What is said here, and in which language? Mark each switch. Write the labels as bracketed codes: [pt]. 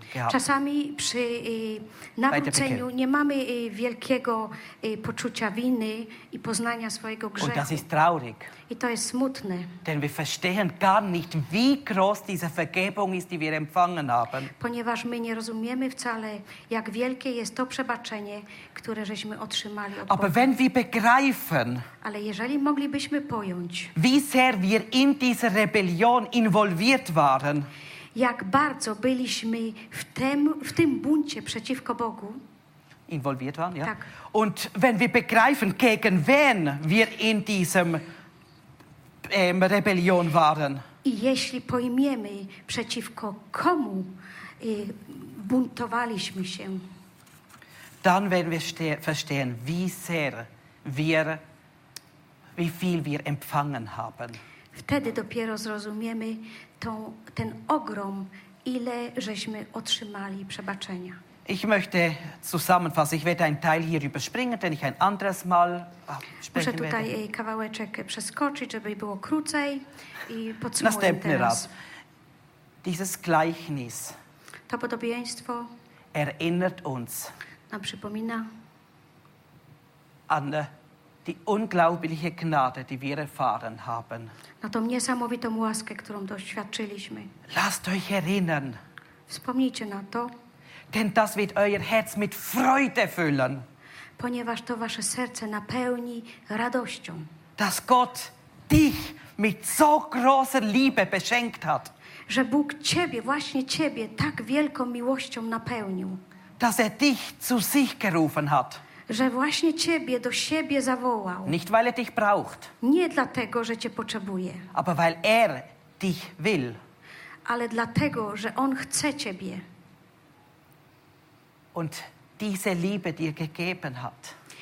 [pl] Czasami przy nawróceniu nie mamy wielkiego poczucia winy i poznania swojego grzechu. [de] Und das ist traurig. [pl] I to jest smutne. [de] Denn wir verstehen gar nicht, wie groß diese Vergebung ist, die wir empfangen haben. [pl] Ponieważ my nie rozumiemy wcale, jak wielkie jest to przebaczenie, które żeśmy otrzymali od Boga. [de] Aber wenn wir begreifen, [pl] ale jeżeli moglibyśmy pojąć, [de] wie sehr wir in diese Rebellion involviert waren, [pl] jak bardzo byliśmy w tym buncie przeciwko Bogu. [de] Involviert waren, ja. [pl] Tak. [de] Und wenn wir begreifen, gegen wen wir in diesem Rebellion waren. [pl] I jeśli pojmiemy, przeciwko komu buntowaliśmy się. [de] Dann werden wir verstehen, wie sehr wir, wie viel wir empfangen haben. [pl] Wtedy dopiero zrozumiemy ten ogrom, ile żeśmy otrzymali przebaczenia. [de] Ich möchte zusammenfassen. Ich werde einen Teil hier überspringen, denn ich ein anderes Mal sprechen [pl] muszę tutaj [de] werde. [pl] Kawałeczek przeskoczyć, żeby było krócej i podsumuję następny teraz. Raz. [de] Dieses Gleichnis. [pl] To podobieństwo [de] erinnert uns. [pl] Nam przypomina. [de] An die unglaubliche Gnade, die wir erfahren haben. [pl] Na tą niesamowitą łaskę, którą doświadczyliśmy. [de] Lasst euch erinnern. [pl] Wspomnijcie na to. [de] Denn das wird euer Herz mit Freude füllen. [pl] Ponieważ to wasze serce napełni radością. [de] Dass Gott dich mit so großer Liebe beschenkt hat. [pl] Że Bóg ciebie, właśnie ciebie, tak wielką miłością napełnił. [de] Dass er dich zu sich gerufen hat. [pl] Że właśnie ciebie do siebie zawołał. [de] Nicht weil er dich braucht. [pl] Nie dlatego, że cię potrzebuje. [de] Aber weil er dich will. [pl] Ale dlatego, że on chce ciebie. [de] Und diese Liebe, die er gegeben hat.